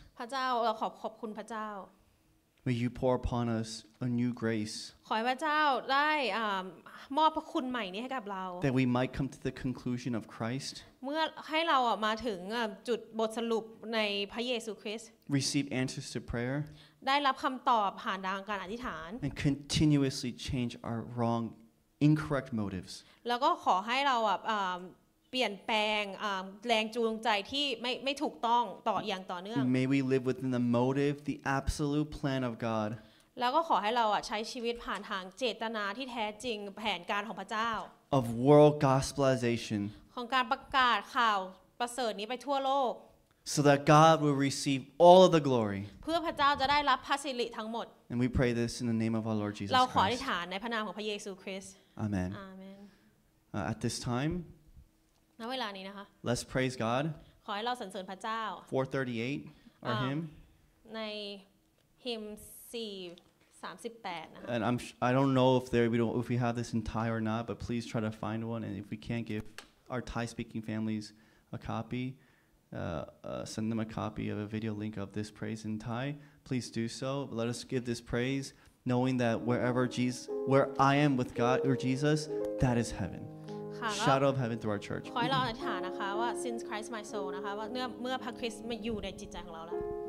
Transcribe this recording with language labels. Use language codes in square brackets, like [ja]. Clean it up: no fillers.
[th] พระเจ้าเราขอบคุณพระเจ้า [en] May you pour upon us a new grace. [th] ขอให้พระเจ้าได้มอบพระคุณใหม่นี้ให้กับเรา [en] That we might come to the conclusion of Christ. [th] เมื่อให้เรามาถึงจุดบทสรุปในพระเยซูคริสต์ [en] Receive answers to prayer. [th] ได้รับคำตอบผ่านทางการอธิษฐาน [en] And continuously change our wrong, incorrect motives. [th] แล้วก็ขอให้เราเปลี่ยนแปลงแรงจูงใจที่ไม่ถูกต้องต่ออย่างต่อเนื่อง [en] May we live within the motive the absolute plan of God [th] แล้วก็ขอให้เราใช้ชีวิตผ่านทางเจตนาที่แท้จริงแผนการของพระเจ้า [en] of world gospelization [th] ของการประกาศข่าวประเสริฐนี้ไปทั่วโลก [en] So that God will receive all of the glory. [th] เพื่อพระเจ้าจะได้รับพระสิริทั้งหมด [en] And we pray this in the name of our Lord Jesus [th] Christ. เราขออธิษฐานในพระนามของพระเยซูคริสต์ [en] Amen. Amen. At this time. [th] ณเวลานี้นะคะ [en] Let's praise God. [th] ขอให้เราสรรเสริญพระเจ้า [en] 438 our hymn. [th] ในฮิมสี่สามสิบแปดนะคะ [en] And I don't know if we have this in Thai or not, but please try to find one. And if we can't give our Thai speaking families a copy. Send them a copy of a video link of this praise in Thai. Please do so. Let us give this praise, knowing that wherever Jesus, where I am with God or Jesus, that is heaven. Shadow of heaven through our church. [th] ขอให้เราอธิษฐานนะคะว่า [en] since Christ my soul [th] นะคะว่าเมื่อพระคริสต์มาอยู่ในจิตใจของเราแล้ว